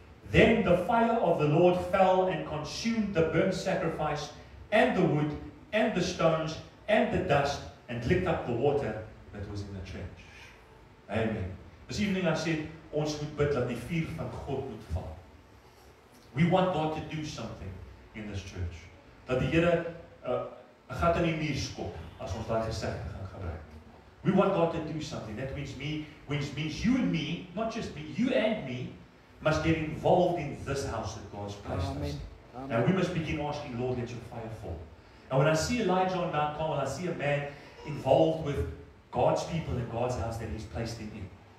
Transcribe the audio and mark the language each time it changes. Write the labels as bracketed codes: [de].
[en] Then the fire of the Lord fell and consumed the burnt sacrifice and the wood and the stones and the dust and licked up the water that was in the trench. Amen. This evening I said, [af] ons moet bid dat die vuur van God moet val. [en] We want God to do something in this church. [af] Dat die Here 'n gat in die muur skop as ons daai gesegde gaan gebruik. [en] We want God to do something. That means you and me, not just me, you and me, must get involved in this house that God's placed us. And we must begin asking, Lord, let your fire fall. And when I see Elijah on Mount Carmel, I see a man involved with God's people and God's house that he's placed him in.